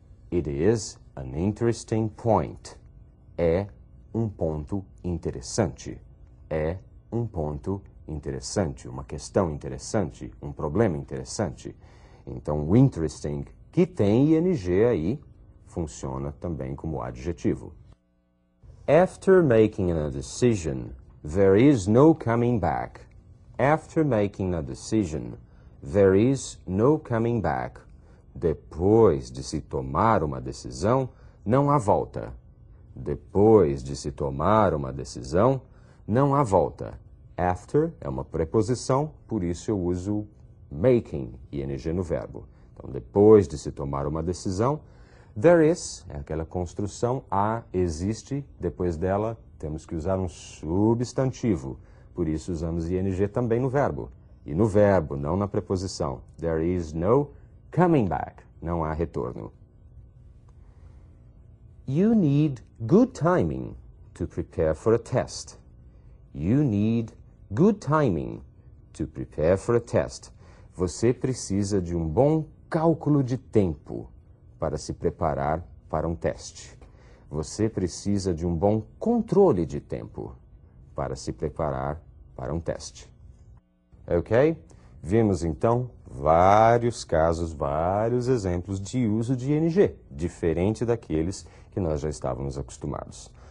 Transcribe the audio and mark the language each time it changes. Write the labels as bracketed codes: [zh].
[en] It is an interesting point. [pt] É um ponto interessante. É um ponto interessante. Uma questão interessante. Um problema interessante. Então, o interesting, que tem ing aí, funciona também como adjetivo. [en] After making a decision, there is no coming back. After making a decision, there is no coming back. [pt] Depois de se tomar uma decisão, não há volta. Depois de se tomar uma decisão, não há volta. After é uma preposição, por isso eu uso making, ing no verbo. Então, depois de se tomar uma decisão, [en] there is, [pt] é aquela construção, há, existe, depois dela, temos que usar um substantivo. Por isso, usamos ing também no verbo. E no verbo, não na preposição. [en] There is no coming back. [pt] Não há retorno. [en] You need good timing to prepare for a test. You need good timing to prepare for a test. [pt] Você precisa de um bom cálculo de tempo para se preparar para um teste. Você precisa de um bom controle de tempo para se preparar para um teste. Ok? Vimos, então, vários casos, vários exemplos de uso de ing, diferente daqueles que nós já estávamos acostumados.